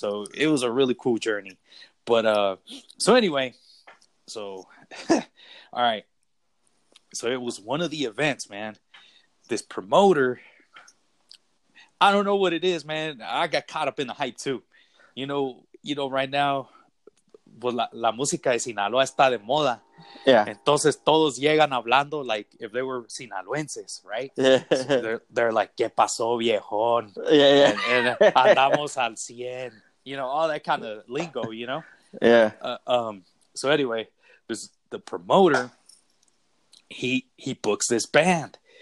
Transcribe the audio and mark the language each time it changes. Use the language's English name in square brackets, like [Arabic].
[English] So it was a really cool journey. But so all right. So it was one of the events, man. This promoter, I don't know what it is, man. I got caught up in the hype too. You know, right now. [Spanish] Pues la música de Sinaloa está de moda. [English] Yeah. [Spanish] Entonces todos llegan hablando [English] like if they were Sinaloenses, right? Yeah. So they're like, [Spanish] ¿qué pasó, viejón? [English] Yeah, yeah. [Spanish] And andamos al cien. [English] You know, all that kind of lingo, you know? Yeah. So anyway, there's the promoter. He books this band.